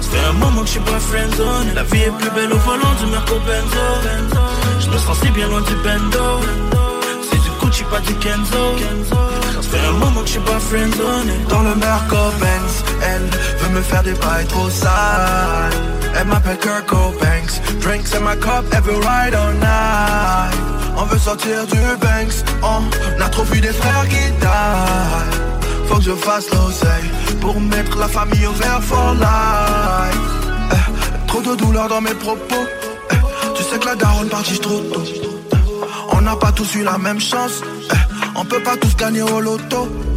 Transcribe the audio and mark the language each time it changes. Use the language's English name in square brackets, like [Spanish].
[French] fait un moment que je suis pas friendzone. La vie est plus belle au volant du Merco Benzo. Je me sens si bien loin du bendo. Si du coup tu pas du Kenzo. Ça fait un moment que je suis pas friendzone. Dans le Merco Benz, elle veut me faire des bails trop sales. Elle m'appelle Kirk Banks. [English] Drinks in my cup every ride all night. [French] On veut sortir du Banks. On a trop vu des frères qui taillent. Faut que je fasse l'oseille pour mettre la famille au vert [English] for life. [French] Trop de douleur dans mes propos. Tu sais que la daronne partit trop tôt. On n'a pas tous eu la même chance. On peut pas tous gagner au loto.